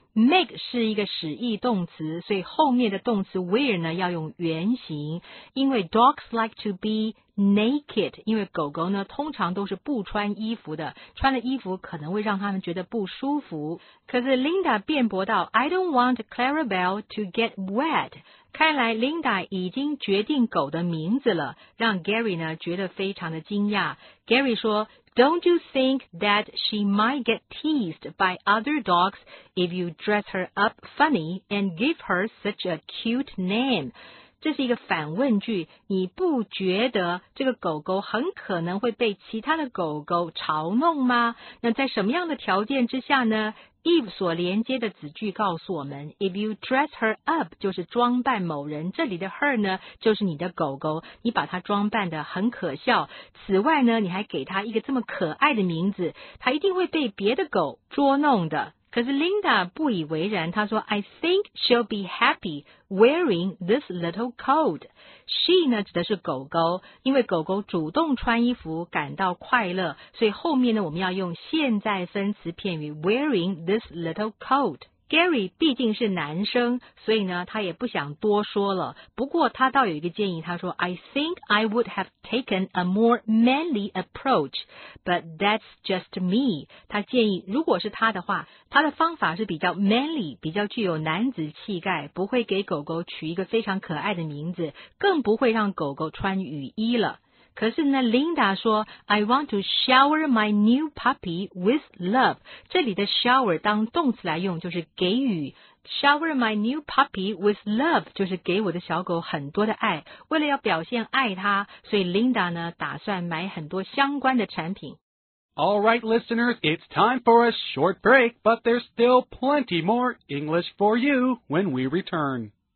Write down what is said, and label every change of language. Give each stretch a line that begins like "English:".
Chinese: make 是一个使役动词，所以后面的动词 wear 呢要用原形，因为
English: dogs like to be naked，
Chinese: 因为狗狗呢通常都是不穿衣服的，穿了衣服可能会让他们觉得不舒服。可是 Linda 辩驳道
English: I don't want Clarabelle to get wet，
Chinese: 看来 Linda 已经决定狗的名字了，让 Gary 呢觉得非常的惊讶。
English: Gary 说 Don't you think that she might get teased by other dogs if you dress her up funny and give her such a cute name?
Chinese: 这是一个反问句，你不觉得这个狗狗很可能会被其他的狗狗嘲弄吗？那在什么样的条件之下呢？Eve 所连接的子句告诉我们 ,
English: if you dress her up,
Chinese: 就是装扮某人，这里的 her 呢就是你的狗狗，你把它装扮得很可笑，此外呢你还给它一个这么可爱的名字，它一定会被别的狗捉弄的。可是 Linda 不以为然，她说
English: I think she'll be happy wearing this little coat.
Chinese: She 呢指的是狗狗，因为狗狗主动穿衣服感到快乐，所以后面呢我们要用现在分词片语
English: wearing this little coat.
Chinese: Gary 毕竟是男生，所以呢他也不想多说了，不过他倒有一个建议，他说
English: I think I would have taken a more manly approach, but that's just me.
Chinese: 他建议如果是他的话，他的方法是比较 manly, 比较具有男子气概，不会给狗狗取一个非常可爱的名字，更不会让狗狗穿雨衣了。可是呢 Linda 说
English: I want to shower my new puppy with love.
Chinese: 这里的 shower 当动词来用就是给予。
English: Shower my new puppy with love
Chinese: 就是给我的小狗很多的爱。为了要表现爱它，所以 Linda 呢打算买很多相关的产品。
English: All right, listeners, it's time for a short break, but there's still plenty more English for you when we return.